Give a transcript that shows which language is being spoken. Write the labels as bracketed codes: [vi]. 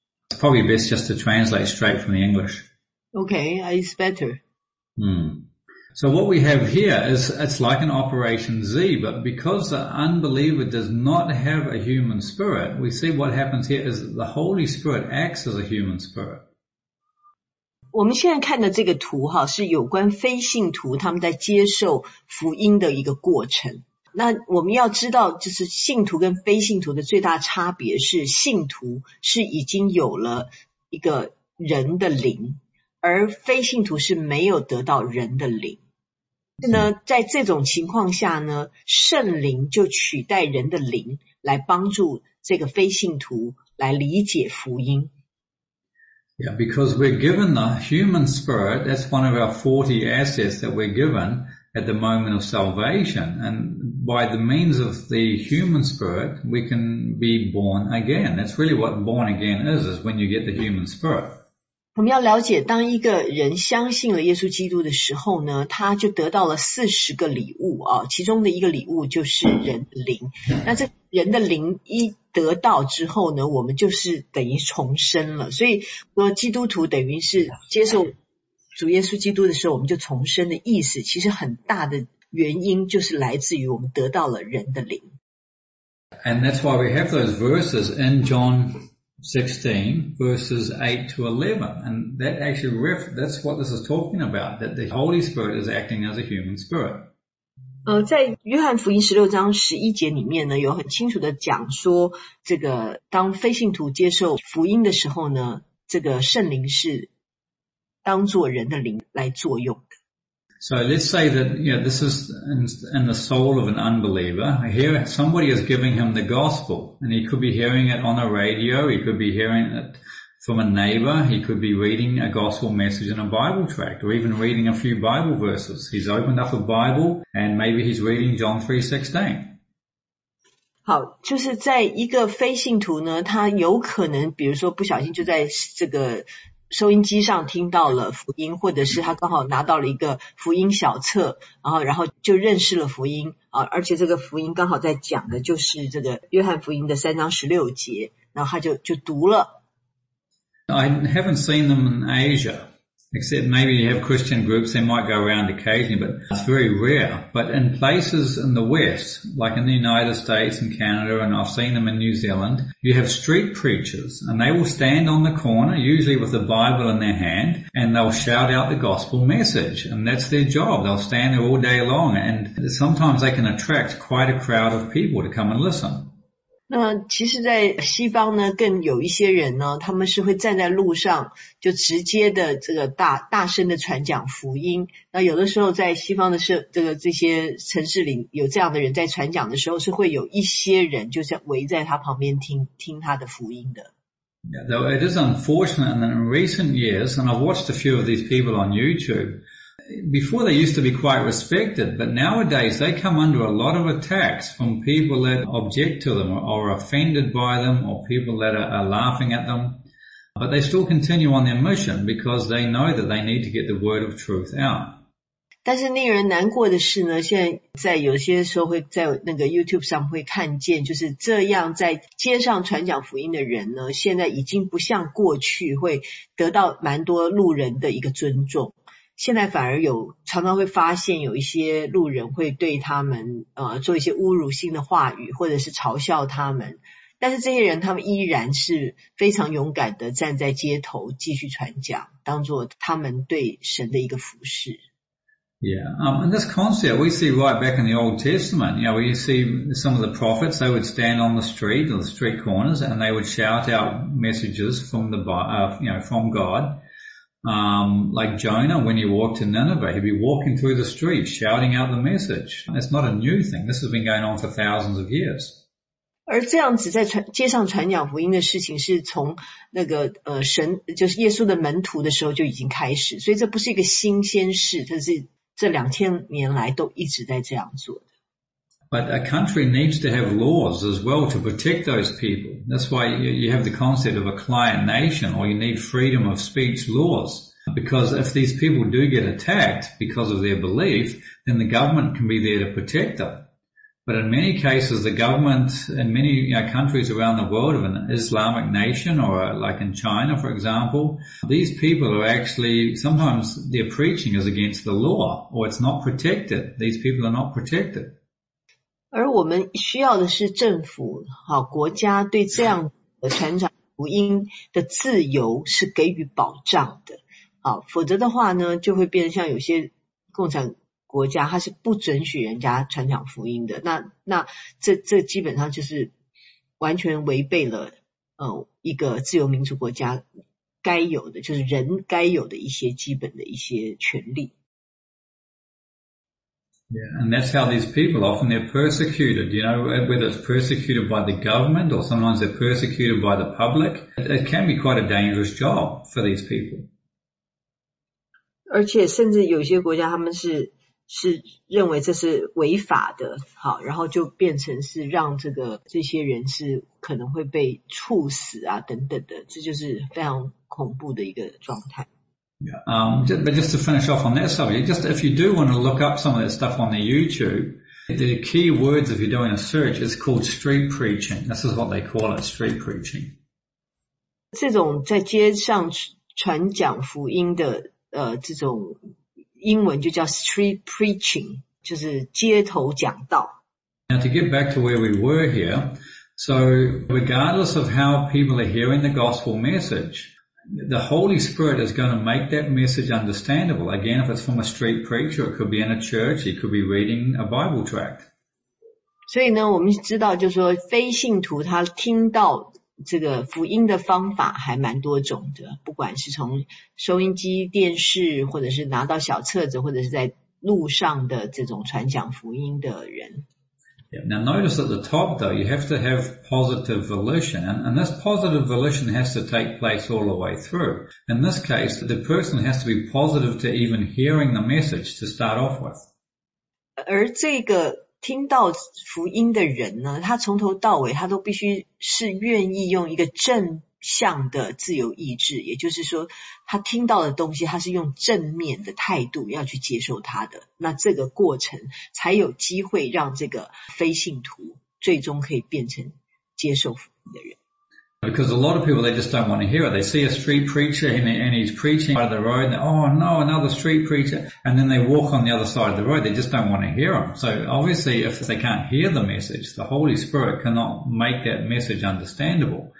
[en] It's probably best just to translate straight from the English. Okay. It's better. So what we have here is it's like an Operation Z, but because the unbeliever does not have a human spirit, we see what happens here is the Holy Spirit acts as a human spirit. [zh] 我们现在看的这个图哈是有关非信徒他们在接受福音的一个过程。那我们要知道就是信徒跟非信徒的最大差别是信徒是已经有了一个人的灵。而非信徒是没有得到人的灵。那在这种情况下呢圣灵就取代人的灵来帮助这个非信徒来理解福音。 [en] Yeah, because we're given the human spirit, that's one of our 40 assets that we're given at the moment of salvation. And by the means of the human spirit, we can be born again. That's really what born again is when you get the human spirit. [zh] 我们要了解当一个人相信了耶稣基督的时候呢他就得到了40个礼物、哦、其中的一个礼物就是人的灵那这人的灵一得到之后呢我们就是等于重生了所以说基督徒等于是接受主耶稣基督的时候我们就重生的意思其实很大的原因就是来自于我们得到了人的灵 [en] And that's why we have those verses in John 16 verses 8 to 11. And that actually that's what this is talking about, that the Holy Spirit is acting as a human spirit. [zh] 在约翰福音16章11节里面呢，有很清楚的讲说，这个当非信徒接受福音的时候呢，这个圣灵是当作人的灵来作用的。 [en] So let's say that, you know, this is in the soul of an unbeliever. Here, somebody is giving him the gospel, and he could be hearing it on a radio, he could be hearing it from a neighbor, he could be reading a gospel message in a Bible tract, or even reading a few Bible verses. He's opened up a Bible, and maybe he's reading John 3:16. [zh] 好，就是在一个非信徒呢，他有可能，比如说不小心就在这个收音机上听到了福音，或者是他刚好拿到了一个福音小册，然后就认识了福音，而且这个福音刚好在讲的就是这个约翰福音的三章十六节，然后他就读了。 [en] I haven't seen them in Asia, except maybe you have Christian groups, they might go around occasionally, but it's very rare. But in places in the West, like in the United States and Canada, and I've seen them in New Zealand, you have street preachers, and they will stand on the corner, usually with a Bible in their hand, and they'll shout out the gospel message, and that's their job. They'll stand there all day long, and sometimes they can attract quite a crowd of people to come and listen. [zh] 那其实在西方呢，更有一些人呢，他们是会站在路上就直接的这个大声的传讲福音。那有的时候在西方的这些城市里有这样的人在传讲的时候，是会有一些人就是围在他旁边听他的福音的。 [en] Yeah, though it is unfortunate that in recent years, and I've watched a few of these people on YouTube, before they used to be quite respected, but nowadays they come under a lot of attacks from people that object to them or are offended by them or people that are laughing at them. But they still continue on their mission because they know that they need to get the word of truth out. [zh] 但是令人难过的是呢，现在在有些时候会在那个 YouTube 上会看见，就是这样在街上传讲福音的人呢，现在已经不像过去会得到蛮多路人的一个尊重。现在反而有常常会发现有一些路人会对他们做一些侮辱性的话语，或者是嘲笑他们。但是这些人他们依然是非常勇敢的站在街头继续传讲，当作他们对神的一个服事。 [en] Yeah, and this concept we see right back in the Old Testament. You know, we see some of the prophets, they would stand on the street or the street corners and they would shout out messages from the, from God. Like Jonah, when he walked in Nineveh, he'd be walking through the streets shouting out the message. It's not a new thing. This has been going on for thousands of years. [zh] 而这样子在街上传讲福音的事情是从那个神就是耶稣的门徒的时候就已经开始，所以这不是一个新鲜事，它是这两千年来都一直在这样做的。 [en] But a country needs to have laws as well to protect those people. That's why you have the concept of a client nation, or you need freedom of speech laws. Because if these people do get attacked because of their belief, then the government can be there to protect them. But in many cases, the government in many countries around the world, of an Islamic nation, or like in China, for example, these people are actually, sometimes their preaching is against the law, or it's not protected. These people are not protected. [zh] 而我们需要的是政府国家对这样的传讲福音的自由是给予保障的，否则的话呢，就会变成像有些共产国家它是不准许人家传讲福音的，那 这基本上就是完全违背了一个自由民主国家该有的，就是人该有的一些基本的一些权利。 [en] Yeah, and that's how these people, often they're persecuted, you know, whether it's persecuted by the government or sometimes they're persecuted by the public. It can be quite a dangerous job for these people. [zh] 而且甚至有些国家他们是认为这是违法的，然后就变成是让这些人是可能会被处死啊等等的，这就是非常恐怖的一个状态。 [en] Yeah, but just to finish off on that subject, just if you do want to look up some of that stuff on the YouTube, the key words if you're doing a search is called street preaching. This is what they call it, street preaching. [zh] 这种在街上传讲福音的这种英文就叫 street preaching, 就是街头讲道。 [en] Now to get back to where we were here, So regardless of how people are hearing the gospel message, the Holy Spirit is going to make that message understandable. Again, if it's from a street preacher, it could be in a church, it could be reading a Bible tract. [zh] 所以呢，我们知道就是说非信徒他听到这个福音的方法还蛮多种的，不管是从收音机、电视，或者是拿到小册子，或者是在路上的这种传讲福音的人。 [en] Now notice at the top though, you have to have positive volition, and this positive volition has to take place all the way through. In this case, the person has to be positive to even hearing the message to start off with. [zh] 而这个听到福音的人呢，他从头到尾他都必须是愿意用一个正向的自由意志，也就是说他听到的东西他是用正面的态度要去接受他的，那这个过程才有机会让这个非信徒最终可以变成接受福音的人。 [en] Because a lot of people, they just don't want to hear it. They see a street preacher and he's preaching by the road, and oh no, another street preacher. And then they walk on the other side of the road. They just don't want to hear him. So obviously, if they can't hear the message, the Holy Spirit cannot make that message understandable.